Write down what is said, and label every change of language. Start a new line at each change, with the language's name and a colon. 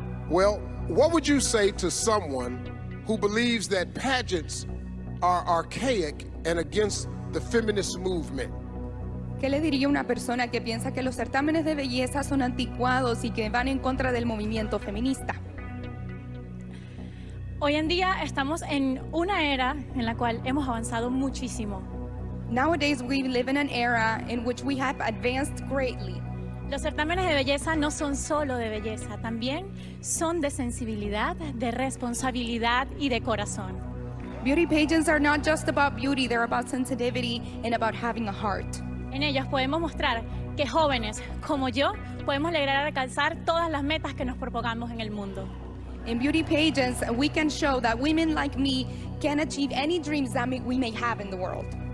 English: Well, what would you say to someone who believes that pageants are archaic and against the feminist movement?
Spanish: ¿Qué le diría una persona que piensa que los certámenes de belleza son anticuados y que van en contra del movimiento feminista? Hoy en día estamos en una era en la cual hemos avanzado muchísimo.
English: Nowadays we live in an era in which we have advanced greatly.
Spanish: Los certámenes de belleza no son solo de belleza, también son de sensibilidad, de responsabilidad y de corazón.
English: Beauty pageants are not just about beauty, they're about sensitivity and about having a heart.
Spanish: En ellos podemos mostrar que jóvenes como yo podemos lograr alcanzar todas las metas que nos propongamos en el mundo.
English: In beauty pageants, we can show that women like me can achieve any dreams that we may have in the world.